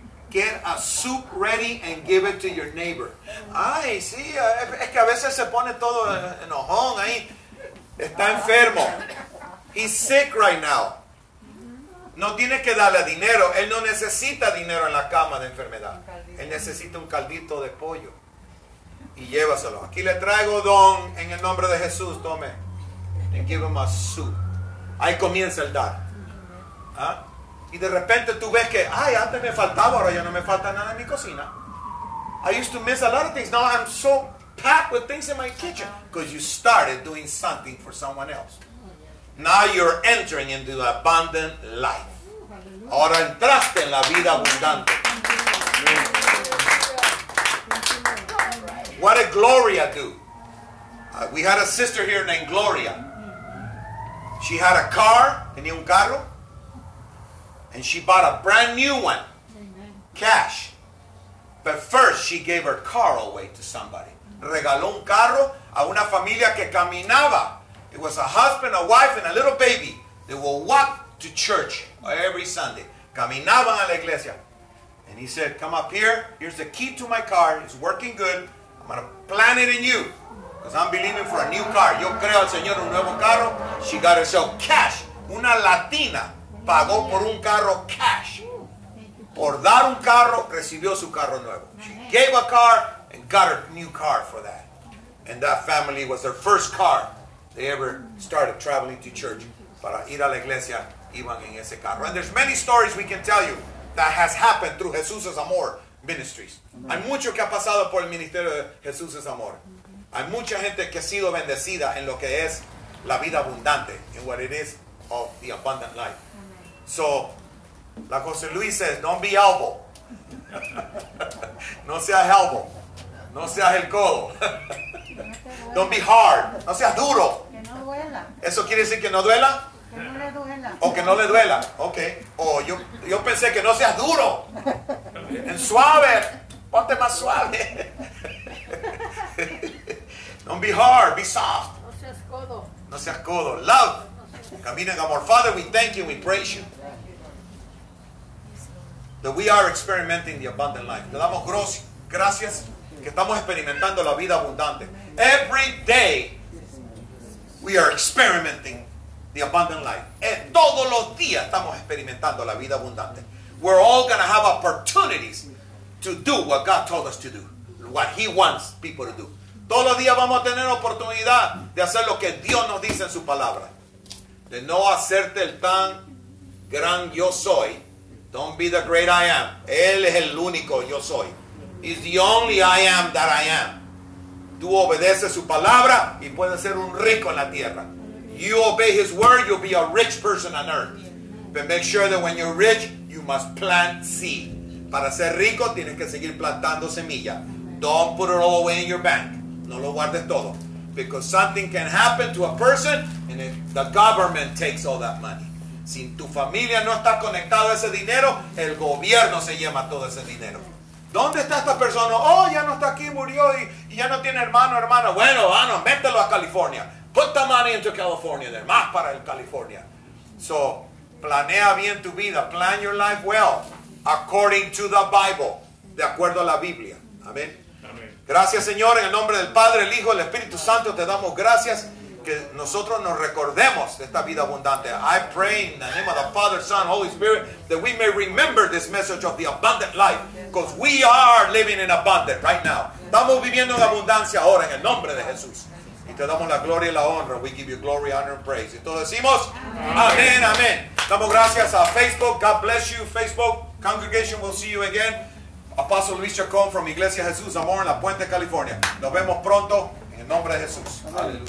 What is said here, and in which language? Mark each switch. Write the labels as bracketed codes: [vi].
[en] Get a soup ready and give it to your neighbor. [es] Ay, sí, es que a veces se pone todo enojón ahí. Está enfermo. [en] He's sick right now. [es] No tiene que darle dinero. Él no necesita dinero en la cama de enfermedad. Él necesita un caldito de pollo. Y llévaselo. Aquí le traigo don en el nombre de Jesús. Tome. [en] And give him a soup. [es] Ahí comienza el dar. ¿Ah? Y de repente tú ves que, ay, antes me faltaba, ahora ya no me falta nada en mi cocina. [en] I used to miss a lot of things. Now I'm so packed with things in my kitchen. Because you started doing something for someone else. Now you're entering into the abundant life. [es] Ahora entraste en la vida abundante. [en] What did Gloria do? We had a sister here named Gloria. She had a car, [es] tenía un carro, [en] and she bought a brand new one, cash. But first, she gave her car away to somebody. [es] Regaló un carro a una familia que caminaba. [en] It was a husband, a wife, and a little baby. They will walk to church every Sunday. [es] Caminaban a la iglesia. [en] And he said, come up here. Here's the key to my car. It's working good. I'm going to plant it in you. Because I'm believing for a new car. [es] Yo creo al Señor un nuevo carro. [en] She got herself cash. [es] Una Latina pagó por un carro cash. Por dar un carro, recibió su carro nuevo. [en] She gave a car and got a new car for that. And that family was their first car. They ever started traveling to church. [es] Para ir a la iglesia, iban en ese carro. [en] And there's many stories we can tell you that has happened through Jesús' Amor ministries. [es] Hay mucho que ha pasado por el ministerio de Jesús' Amor. Hay mucha gente que ha sido bendecida en lo que es la vida abundante, [en] in what it is of the abundant life. So, la José Luis says, don't be elbow. [es] No seas elbow. No seas el codo. [en] Don't be hard. [es] No seas duro. Que no duela. ¿Eso quiere decir que no duela? Que no le duela. O que no le duela. Ok. O yo pensé que no seas duro. En suave. Ponte más suave. [en] Don't be hard. Be soft. [es] No seas codo. No seas codo. [en] Love. [es] Camina en amor. [en] Father, we thank you. We praise you. That we are experimenting the abundant life. [es] Le damos gracias que estamos experimentando la vida abundante. [en] Every day we are experimenting the abundant life. [es] Todos los días estamos experimentando la vida abundante. [en] We're all going to have opportunities to do what God told us to do, what He wants people to do. [es] Todos los días vamos a tener oportunidad de hacer lo que Dios nos dice en su palabra. De no hacerte el tan gran yo soy. [en] Don't be the great I am. [es] Él es el único yo soy. [en] He's the only I am that I am. [es] Tú obedeces su palabra y puedes ser un rico en la tierra. [en] You obey his word, you'll be a rich person on earth. But make sure that when you're rich, you must plant seed. [es] Para ser rico, tienes que seguir plantando semilla. [en] Don't put it all away in your bank. [es] No lo guardes todo. [en] Because something can happen to a person and the government takes all that money. [es] Si tu familia no está conectada a ese dinero, el gobierno se lleva todo ese dinero. ¿Dónde está esta persona? Oh, ya no está aquí, murió y ya no tiene hermano, hermana. Bueno, vamos, mételo a California. [en] Put the money into California, then. [es] Más para el California. So, planea bien tu vida. [en] Plan your life well, according to the Bible. [es] De acuerdo a la Biblia. Amén. Gracias, Señor, en el nombre del Padre, el Hijo, el Espíritu Santo, te damos gracias. Que nosotros nos recordemos de esta vida abundante. [en] I pray in the name of the Father, Son, Holy Spirit, that we may remember this message of the abundant life. Because we are living in abundance right now. [es] Estamos viviendo en abundancia ahora en el nombre de Jesús. Y te damos la gloria y la honra. [en] We give you glory, honor, and praise. [es] Y todos decimos, amén, amén. Damos gracias a Facebook. [en] God bless you, Facebook. Congregation, we'll see you again. [es] Apostle Luis Chacón from Iglesia Jesús Amor en La Puente, California. Nos vemos pronto en el nombre de Jesús. Aleluya.